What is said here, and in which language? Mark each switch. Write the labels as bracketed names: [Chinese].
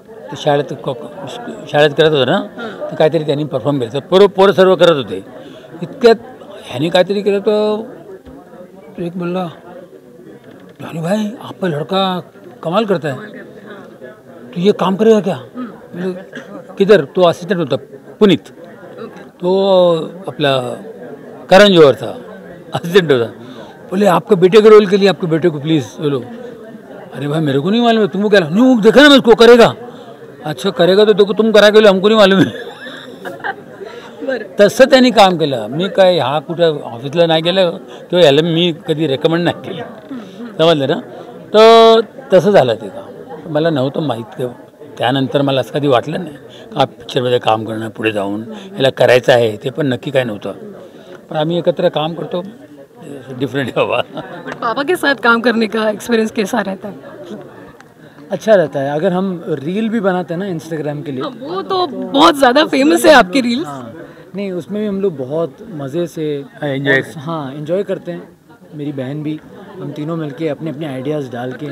[Marathi] ते शाळेत करत होतं ना, तर काहीतरी त्यांनी परफॉर्म केलं, तर पोरं सर्व करत होते, इतक्यात ह्यांनी काहीतरी केलं तर एक म्हणला, जॉनी भाई आपला लडका कमाल करत आहे, तू हे काम [Hindi] करेगा क्या? किधर? [Marathi] तो असिस्टंट होता पुनीत, तो आपला करण जोहरचा असिस्टंट होता. [Hindi] बोले आपका बेटे के रोल के लिए आपके बेटे को प्लीज बोलो. अरे भाई मेरे को नहीं मालूम है, तुमको क्या? नहीं वो देखा ना मैं, उसको करेगा. अच्छा करेगा तो देखो तुम करा के लो, हमको नहीं मालूम है. [Marathi] तसं त्यांनी काम केलं. मी काय ह्या कुठं ऑफिसला नाही गेलं किंवा ह्याला मी कधी रेकमेंड नाही केलं, समजलं ना? तर तसं झालं ते काम. मला नव्हतं माहीत, त्यानंतर मला असं कधी वाटलं नाही का पिक्चरमध्ये काम करणं, पुढे जाऊन ह्याला करायचं आहे, ते पण नक्की काय नव्हतं. पण आम्ही एकत्र काम करतो डिफरंट. [Hindi] पापा के साथ काम करने का एक्सपीरियंस कैसा रहता है? अच्छा रहता है. अगर हम रील भी बनाते हैं ना इंस्टाग्राम के लिए, वो तो बहुत ज़्यादा फेमस है आपकी रील. नहीं उसमें भी हम लोग बहुत मज़े से [English] enjoy [Hindi] एंजॉय करते हैं, मेरी बहन भी, हम तीनों मिलके अपने अपने आइडियाज डाल के.